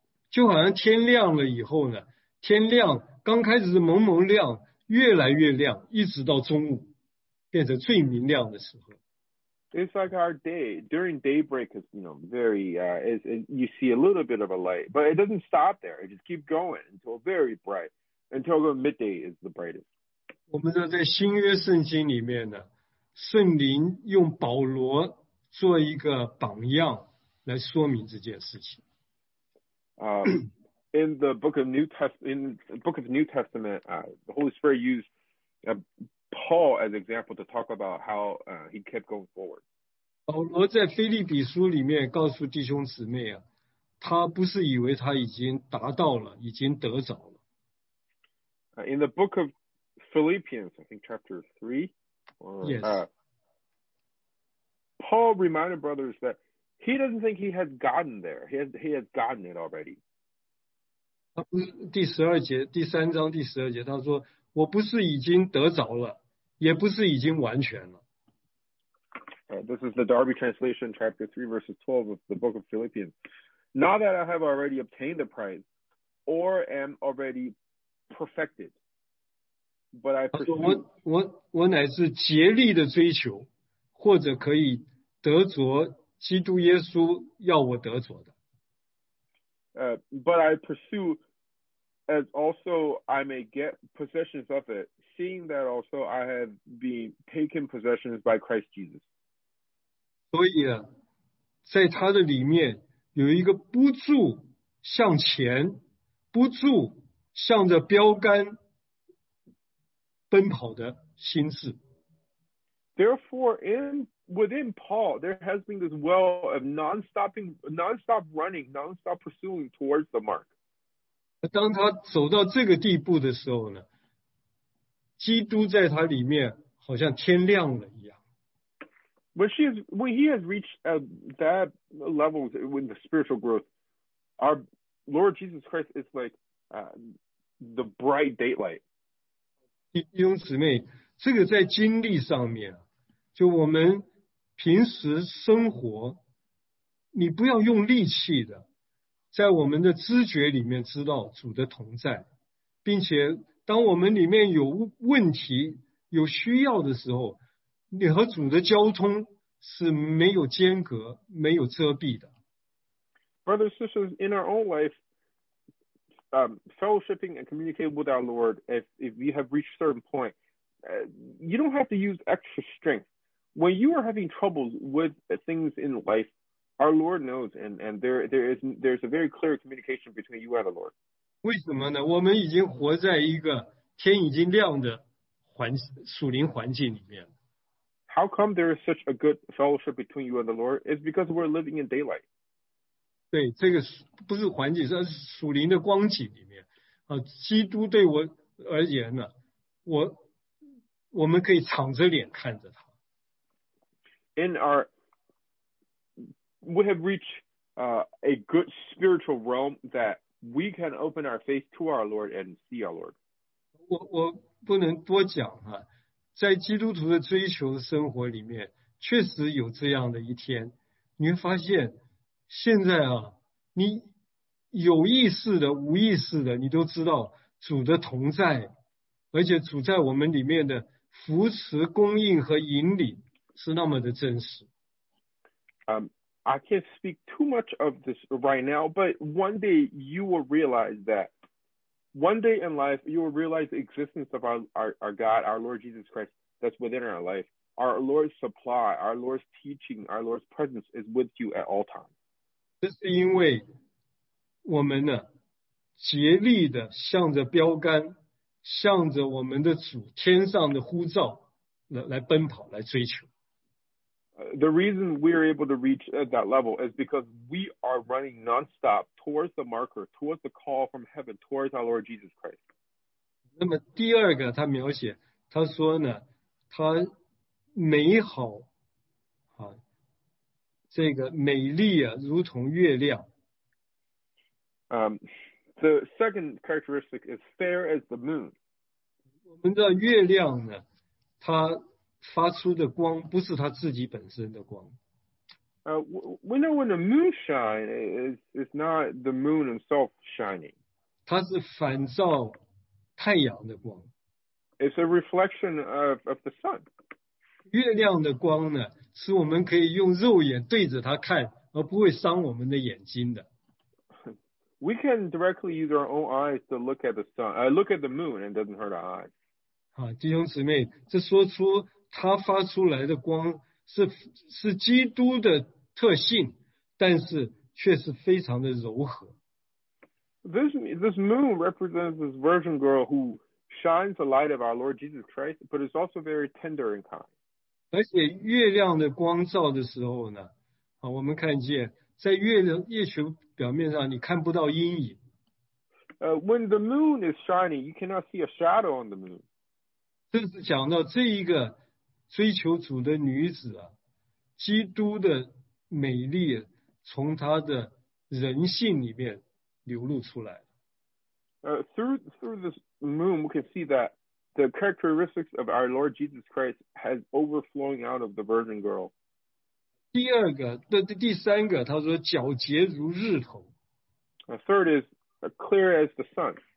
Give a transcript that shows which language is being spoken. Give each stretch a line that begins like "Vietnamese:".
Chinese: 就好像天亮了以后呢，天亮刚开始是蒙蒙亮。越来越亮，一直到中午，变成最明亮的时候。
English: It's like our day during daybreak is, you know, very you see a little bit of a light, but it doesn't stop there. It just keep going until very bright, until the midday is the brightest.
Chinese: 我们知道在新约圣经里面呢，圣灵用保罗做一个榜样来说明这件事情。
English: In the book of New Testament, the Holy Spirit used Paul as an example to talk about how he kept going forward.
Chinese: 保罗在腓立比书里面告诉弟兄姊妹啊，他不是以为他已经达到了，已经得着了。
English: In the book of Philippians, I think chapter 3, Paul reminded brothers that he doesn't think he has gotten there. He has gotten it already.
Chinese: 第十二节，第三章第十二节，他说，我不是已经得着了，也不是已经完全了。
English: This is the Darby translation, chapter 3, verses 12 of the book of Philippians. Not that I have already obtained the prize or am already perfected, but I pursue.
Chinese: 我乃是竭力的追求，或者可以得着基督耶稣要我得着的。
English: But I pursue as also I may get possessions of it, seeing that also I have been taken possessions by Christ Jesus.
Chinese: 所以啊，在他的里面有一个不住向前，不住向着标杆奔跑的心智。
English: Therefore, within Paul, there has been this well of non-stop running, non-stop pursuing towards the mark.
Chinese: 当他走到这个地步的时候呢，基督在他里面好像天亮了一样。
English: When he has reached that level with the spiritual growth, our Lord Jesus Christ is like the bright daylight.
Chinese: 弟兄姊妹，这个在经历上面，就我们平时生活，你不要用力气的，在我们的知觉里面知道主的同在，并且当我们里面有问题、有需要的时候，你和主的交通是没有间隔、没有遮蔽的。
English: Brothers and sisters, in our own life, fellowshipping and communicating with our Lord, if you have reached a certain point, you don't have to use extra strength. When you are having troubles with things in life, our Lord knows, and there's a very clear communication between you and the Lord.
Chinese: 为什么呢？我们已经活在一个天已经亮的属灵环境里面。
English: How come there is such a good fellowship between you and the Lord? It's because we're living in daylight.
Chinese: 对，这个不是环境，而是属灵的光景里面。基督对我而言呢，我们可以敞着脸看着他。
English: In our, we have reached a good spiritual realm that we can open our face to our Lord and see our Lord.
Chinese: 我不能多讲啊。在基督徒的追求生活里面，确实有这样的一天，你会发现，现在啊，你有意识的、无意识的，你都知道主的同在，而且主在我们里面的扶持、供应和引领是那么的真实。
English: I can't speak too much of this right now, but one day you will realize that. One day in life, you will realize the existence of our God, our Lord Jesus Christ, that's within our life. Our Lord's supply, our Lord's teaching, our Lord's presence is with you at all times.
Chinese: 这是因为我们呢，竭力的向着标杆，向着我们的主天上的呼召来奔跑，来追求。
English: The reason we are able to reach that level is because we are running nonstop towards the marker, towards the call from heaven, towards our Lord Jesus Christ.
Chinese: 那么第二个他描写，他说呢，他美好啊，这个美丽啊，如同月亮。
English: The second characteristic is fair as the moon.
Chinese: 我们知道月亮呢，它发出的光不是他自己本身的光。
English: We know when the moon shines, it's not the moon itself shining.
Chinese: 它是反照太阳的光。
English: It's a reflection of the sun.
Chinese: 月亮的光呢，是我们可以用肉眼对着它看，而不会伤我们的眼睛的。
English: We can directly use our own eyes to look at the sun, look at the moon, and it doesn't hurt our eyes.
Chinese: 啊，弟兄姊妹，这说出他发出来的光 是基督的特性，但是却是非常的柔和。
English: This moon represents this virgin girl who shines the light of our Lord Jesus Christ, but is also very tender and kind.
Chinese: 而且月亮的光照的时候呢, 啊, 我们看见, 在月球表面上, 你看不到阴影。
English: When the moon is shining, you cannot see a shadow on the moon.
Chinese: 这是讲到这一个追求主的女子啊, 基督的美丽, 从她的人性里面流露出来。
English: Through this moon, we can see that the characteristics of our Lord Jesus Christ has overflowing out of the virgin girl.
Chinese: 第二个,第三个, 他说, 皎洁如日头。
English: Third is, clear as the sun.